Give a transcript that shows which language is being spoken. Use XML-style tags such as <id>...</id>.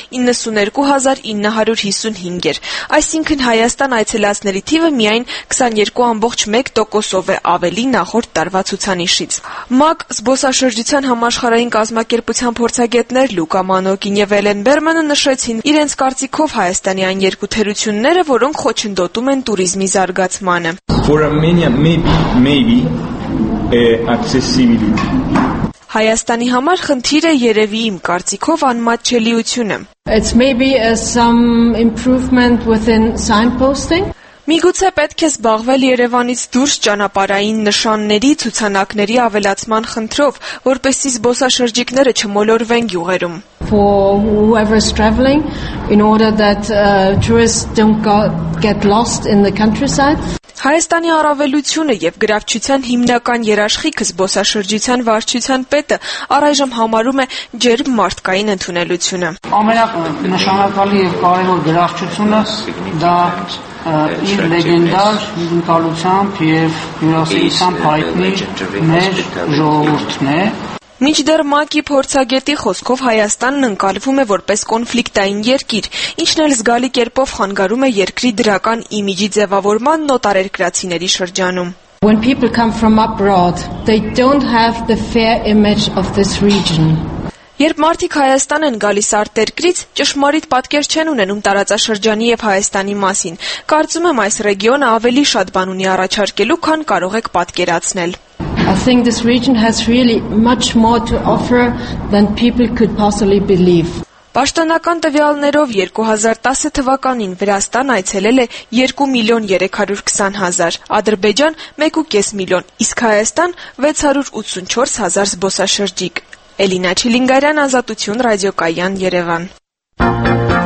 <hy>92,955 էր, այսինքն Հայաստան այցելածների թիվը միայն 22.1%-ով է ավելի նախորդ տարվա ցուցանիշից։ ՄԱԿ զբոսաշրջության համաշխարհային կազմակերպության փորձագետներ Լուկա Մանոկին և Էլեն Բերմանը նշեցին իրենց կարծիքով Հայաստանի այն երկու թերությունները, որոնք խոչընդոտում են ቱրիզմի զարգացմանը։</hy> <en>For Armenia, maybe accessibility.</en> <hy>Հայաստանի համար խնդիրը երևի իմ կարծիքով անմատչելիություն է.</hy> <en>It's maybe some improvement within signposting.</en> <hy>Միգուցե պետք է զբաղվել Երևանից դուրս ճանապարհային նշանների ցուցանակների ավելացման խնդրով, որպեսզի զբոսաշրջիկները չմոլորվեն գյուղերում.</hy> <en>For whoever's traveling, in order that tourists don't get lost in the countryside.</en> <hy>Հայաստանի առավելությունը եւ գրավչության հիմնական երաշխիքը զբոսաշրջության վարչության պետը առայժմ համարում է ջերմ մարդկային ընդունելությունը։ Ամենանշանակալի եւ կարևոր գրավչությունը դա իր լեգենդար հյուրընկալությամբ եւ հյուրասենությամբ հայտնի մեր ժողովուրդն է։ Միջդեռ ՄԱԿ-ի փորձագետի խոսքով Հայաստանն ընկալվում է որպես կոնֆլիկտային երկիր, ինչն էլ զգալի կերպով խանգարում է երկրի դրական իմիջի ձևավորման նոտարերկրացիների շրջանում.</hy> <en>When people come from abroad, they don't have the fair image of this region.</en> <hy>Երբ մարդիկ Հայաստան են գալիս արտերկրից, ճշմարիտ պատկեր չեն ունենում տարածաշրջանի եւ Հայաստանի մասին։ Կարծում եմ այս ռեգիոնը ավելի շատ բան ունի առաջարկելու, քան կարող եք պատկերացնել։</hy> <en>I think this region has really much more to offer than people could possibly believe.</en> <hy>Պաշտոնական տվյալներով 2010 թվականին Վրաստան այցելել է 2,320,000, Ադրբեջան 1.5 միլիոն, իսկ Հայաստան 684,000 զբոսաշրջիկ։ Էլինա Չիլինգարյան, Ազատություն ռադիոկայան, Երևան։</hy>